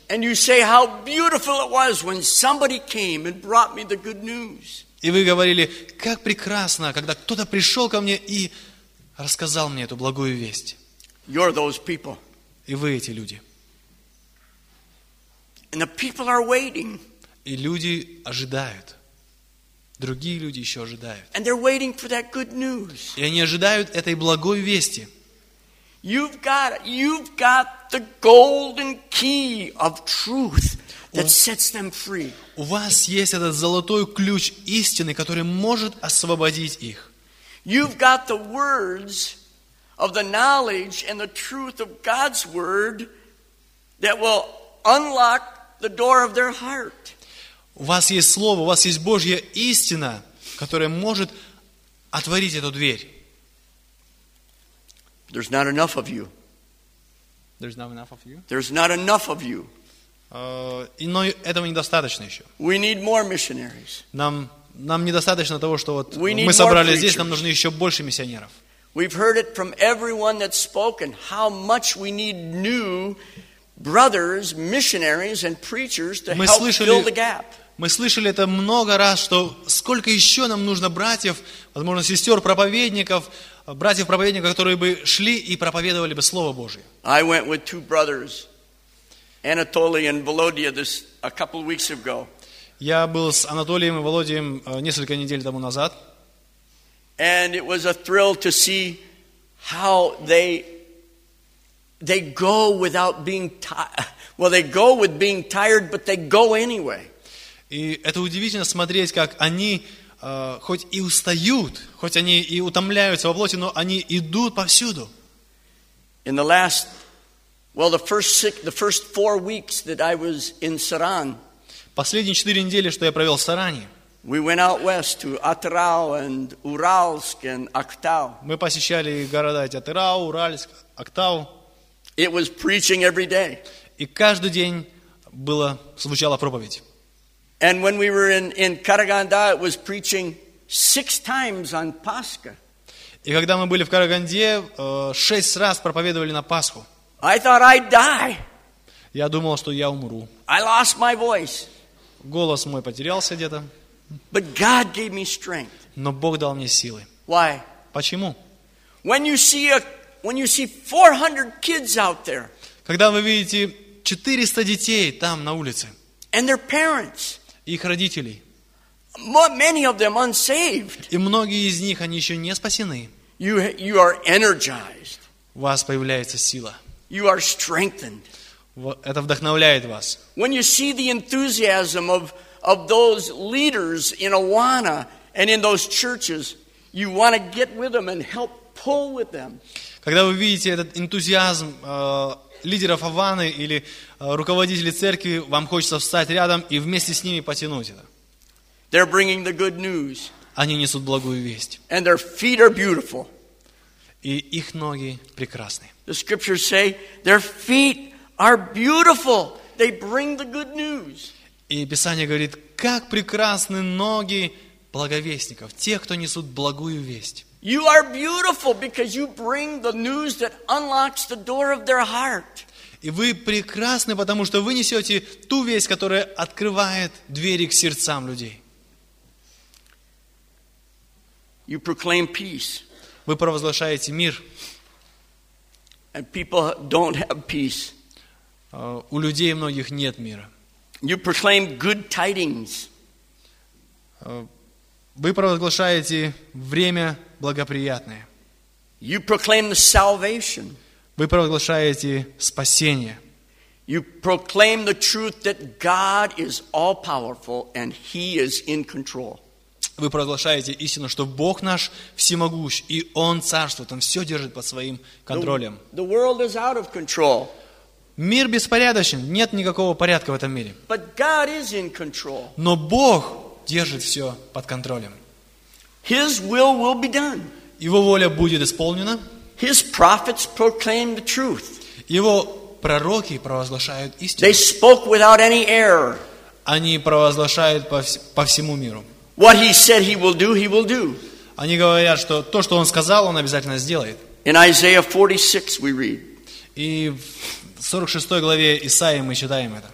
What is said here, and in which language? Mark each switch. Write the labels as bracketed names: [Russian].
[English] And you say how beautiful it was when somebody came and brought me the good news. [Russian] И вы говорили, как прекрасно, когда кто-то пришел ко мне и рассказал мне эту благую весть. [English] You're those people. [Russian] И вы эти люди. [English] And the people are waiting. [Russian] И люди ожидают. Другие люди еще ожидают. [English] And they're waiting for that good news. [Russian] И они ожидают этой благой вести. [English] You've got the golden key of truth that sets them free. [Russian] У вас есть этот золотой ключ истины, который может освободить их. [English] You've got the words of the knowledge and the truth of God's word that will unlock the door of their heart. [Russian] У вас есть слово, у вас есть Божья истина, которая может отворить эту дверь. [English] There's not enough of you. There's not enough of you. There's not enough of you. [Russian] Но этого недостаточно еще. [English] We need more missionaries. [Russian] Нам недостаточно того, что вот мы собрали здесь, нам нужны еще больше миссионеров. [English] We've heard it from everyone that's spoken how much we need new brothers, missionaries, and preachers to help fill the gap. [Russian] Мы слышали это много раз, что сколько еще нам нужно братьев, возможно, сестер, проповедников, братьев-проповедников, которые бы шли и проповедовали бы Слово Божие. [English] I went with two brothers, Anatoly and Volodya, a couple weeks ago. [Russian] Я был с Анатолием и Володием несколько недель тому назад. [English] And it was a thrill to see how they go without being they go with being tired, but they go anyway. [Russian] И это удивительно смотреть, как они хоть и устают, хоть они и утомляются во плоти, но они идут повсюду. [English] In the last, the first 4 weeks that I was in Saran. [Russian] Последние 4 недели, что я провел в Саране. [English] We went out west to Atyrau and Uralsk and Aktau. [Russian] Мы посещали города Атырау, Уральск, Актау. [English] It was preaching every day. [Russian] И каждый день звучала проповедь. [English] And when we were in Karaganda, it was preaching 6 times on Pascha. [Russian] И когда мы были в Караганде, 6 раз проповедовали на Пасху. [English] I thought I'd die. [Russian] Я думал, что я умру. [English] I lost my voice. [Russian] Голос мой потерялся где-то. [English] But God gave me strength. [Russian] Но Бог дал мне силы. [English] Why? [Russian] Почему? [English] When you see 400 kids out there. [Russian] Когда вы видите 400 детей там на улице. [English] And their parents. [Russian] Их родителей. [English] Many of them unsaved. [Russian] И многие из них, они еще не спасены. [English] You are energized. [Russian] У вас появляется сила. [English] You are strengthened. [Russian] Это вдохновляет вас. [English] When you see the enthusiasm of those leaders in Awana and in those churches, you want to get with them and help pull with them. [Russian] Когда вы видите этот энтузиазм лидеров Аваны или руководителей церкви, вам хочется встать рядом и вместе с ними потянуть это. [English] They're bringing the good news. [Russian] Они несут благую весть. [English] And their feet are beautiful. [Russian] И их ноги прекрасны. [English] The scriptures say their feet are beautiful. They bring the good news. [Russian] И Писание говорит, как прекрасны ноги благовестников, тех, кто несут благую весть. [English] You are beautiful because you bring the news that unlocks the door of their heart. [Russian] И вы прекрасны, потому что вы несете ту весть, которая открывает двери к сердцам людей. [English] You proclaim peace. [Russian] Вы провозглашаете мир. [English] And people don't have peace. [Russian] У людей многих нет мира. [English] You proclaim good tidings. [Russian] Вы провозглашаете время благоприятное. [English] You proclaim the salvation. [Russian] Вы провозглашаете спасение. [English] You proclaim the truth that God is all-powerful and He is in control. [Russian] Вы провозглашаете истину, что Бог наш всемогущ, и Он царствует, Он все держит под своим контролем. [English] The world is out of control. [Russian] Мир беспорядочен, нет никакого порядка в этом мире. [English] But God is in control. [Russian] Но Бог держит все под контролем. [English] His will be done. [Russian] Его воля будет исполнена. [English] His prophets proclaim the truth. [Russian] Его пророки провозглашают истину. [English] They spoke without any error. [Russian] Они провозглашают по всему миру. [English] What he said he will do, he will do. [Russian] Они говорят, что то, что он сказал, он обязательно сделает. [English] In Isaiah 46 we read. [Russian] И в 46 главе Исаии мы читаем это.